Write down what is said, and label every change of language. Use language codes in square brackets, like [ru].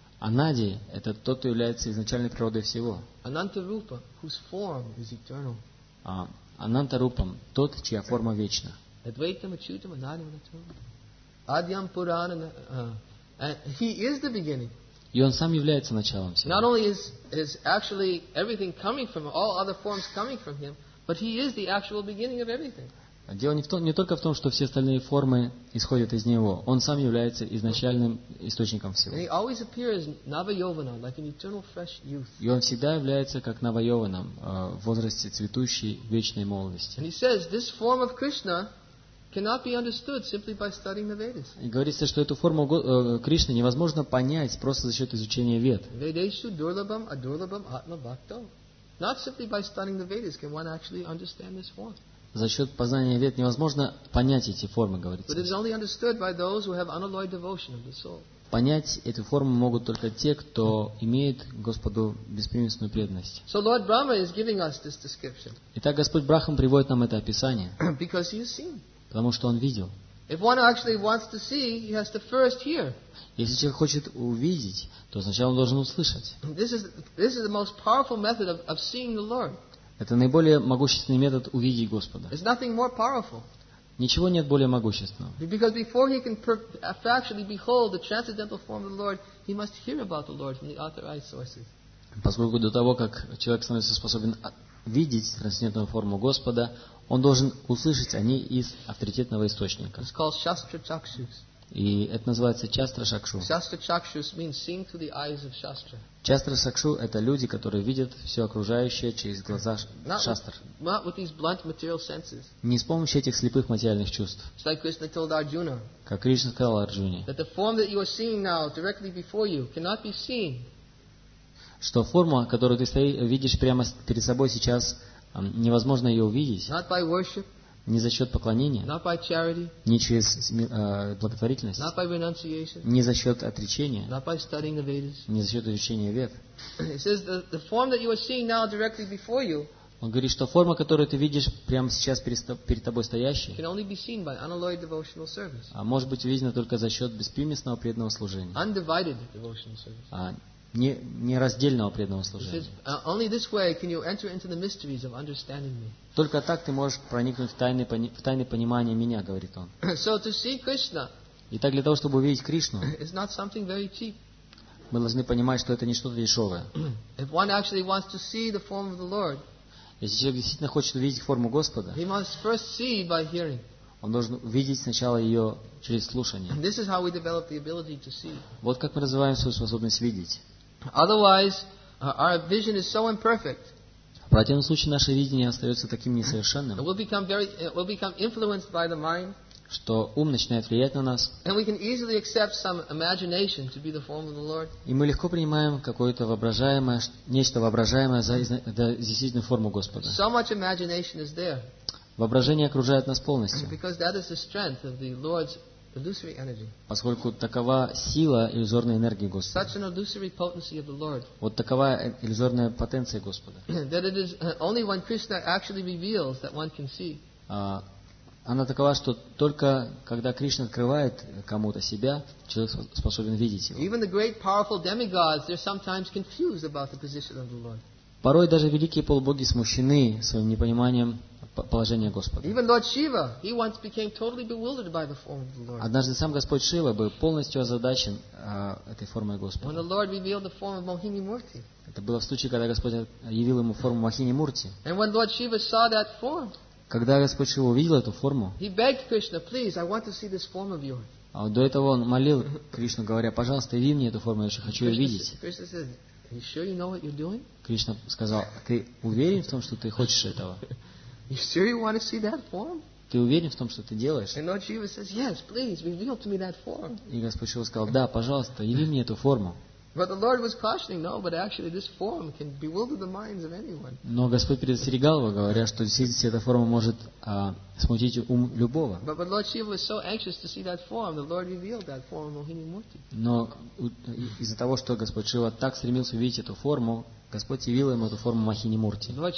[ru] Анади, это тот, кто является изначальной природой всего. [en] Анантарупа, whose form is eternal. [ru] Анантарупам, тот, чья форма вечна. [sa] Адвайтам, ачутам, анади, анатарупам. Адьям, пурана, [en] he is the beginning. [ru] И он сам является началом всего. [en] Not only is actually everything coming from him, all other forms coming from him, but he is the actual beginning of everything. [ru] Дело не только в том, что все остальные формы исходят из него. Он сам является изначальным источником всего. [en] And he always appears Navayovana, like an eternal fresh youth. [ru] И он всегда является как Навайованом, в возрасте цветущей вечной молодости. [en] And he says, this form of Krishna cannot be understood simply by studying the Vedas. [ru] И говорится, что эту форму Кришны невозможно понять просто за счет изучения Вед. [sa] Vedeshu durlabham adurlabham atma bhakto. [en] Not simply by studying the Vedas can one actually understand this form. [ru] За счет познания Вед невозможно понять эти формы, говорится. [en] But it is only understood by those who have unalloyed devotion of the soul. [ru] Понять эту форму могут только те, кто имеет Господу беспримесную преданность. [en] So Lord Brahma is giving us this description. [ru] Итак, Господь Брахма приводит нам это описание. [en] Because he has seen. [ru] Потому что он видел. [en] If one actually wants to see, he has to first hear. [ru] Если человек хочет увидеть, то сначала он должен услышать. [en] This is the most powerful method of seeing the Lord. [ru] Это наиболее могущественный метод увидеть Господа. [en] There's nothing more powerful. [ru] Ничего нет более могущественного. [en] Because before he can actually behold the transcendental form of the Lord, he must hear about the Lord from the authorized sources. [ru] Поскольку до того, как человек становится способен видеть трансцендентную форму Господа, он должен услышать о ней из авторитетного источника. [en] It's called Shastra Chakshus. [ru] И это называется Shastra Chakshu. [en] Shastra Chakshus means seeing through the eyes of Shastra. [ru] Shastra Chakshu – это люди, которые видят все окружающее через глаза Шастр. [en] Not with these blunt material senses. [ru] Не с помощью этих слепых материальных чувств. [en] It's like Krishna told Arjuna. [ru] Как Кришна сказал Арджуне. [en] That the form that you are seeing now directly before you cannot be seen. [ru] Что форма, которую ты видишь прямо перед собой сейчас, невозможно ее увидеть. [en] Not by worship. [ru] Не за счет поклонения, [en] not by charity, [ru] не через благотворительность, [en] not by renunciation, [ru] не за счет отречения, [en] not by studying the Vedas, [ru] не за счет изучения Вед. [en] It says the form that you are seeing now directly before you. [ru] Он говорит, что форма, которую ты видишь прямо сейчас перед тобой стоящей, [en] can only be seen by unalloyed devotional service. [ru] А может быть увидена только за счет беспримесного преданного служения. [en] Undivided devotional service. [ru] Нераздельного преданного служения. [en] Says, only this way can you enter into the mysteries of understanding me. [ru] Только так ты можешь проникнуть в тайное понимание меня, говорит он. [en] So to see Krishna. [ru] Итак, для того, чтобы увидеть Кришну, [en] it's not something very cheap. [ru] Мы должны понимать, что это не что-то дешевое. [en] If one actually wants to see the form of the Lord, [ru] если человек действительно хочет увидеть форму Господа, [en] he must first see by hearing. [ru] Он должен увидеть сначала ее через слушание. [en] This is how we develop the ability to see. [ru] Вот как мы развиваем свою способность видеть. [en] Otherwise, our vision is so imperfect. [ru] В противном случае наше видение остается таким несовершенным, [en] we'll become influenced by the mind, [ru] что ум начинает влиять на нас, [en] and we can easily accept some imagination to be the form of the Lord. [ru] И мы легко принимаем какое-то воображаемое, нечто воображаемое за действительную форму Господа. [en] So much imagination is there. [ru] Воображение окружает нас полностью. [en] Because that is the strength of the Lord's illusory energy. [ru] Поскольку такова сила иллюзорной энергии Господа. [en] Such an illusory potency of the Lord. [ru] Вот такова иллюзорная потенция Господа. [en] That it is only when Krishna actually reveals that one can see. [ru] Она такова, что только когда Кришна открывает кому-то себя, человек способен видеть его. [en] Even the great powerful demigods, they're sometimes confused about the position of the Lord. [ru] Порой даже великие полубоги смущены своим непониманием положения Господа. [en] Even Lord Shiva, he once became totally bewildered by the form of the Lord. [ru] Однажды сам Господь Шива был полностью озадачен этой формой Господа. [en] When the Lord revealed the form of Mohini Murti. [ru] Это было в случае, когда Господь явил ему форму Мохини Мурти. [en] And when Lord Shiva saw that form, [ru] когда Господь Шива увидел эту форму, [en] he begged Krishna, please, I want to see this form of yours. [ru] А до этого он молил Кришну, говоря, пожалуйста, яви мне эту форму, я же хочу ее видеть. [en] Krishna said, are you sure you know what you're doing? [ru] Кришна сказал, ты уверен в том, что ты хочешь этого? [en] You sure you want to see that form? [ru] Ты уверен в том, что ты делаешь? [en] And Lord Shiva says, yes, please, reveal to me that form. [ru] И Господь Шива сказал, да, пожалуйста, яви мне эту форму. [en] But the Lord was cautioning, no, but actually this form can bewilder the minds of anyone. [ru] Но Господь предостерегал его, говоря, что действительно эта форма может смутить ум любого. [en] But Lord Shiva was so anxious to see that form, the Lord revealed that form of Mohini Murti. [ru] Но из-за того, что Господь Шива так стремился увидеть эту форму, Господь явил ему эту форму Махини Мурти.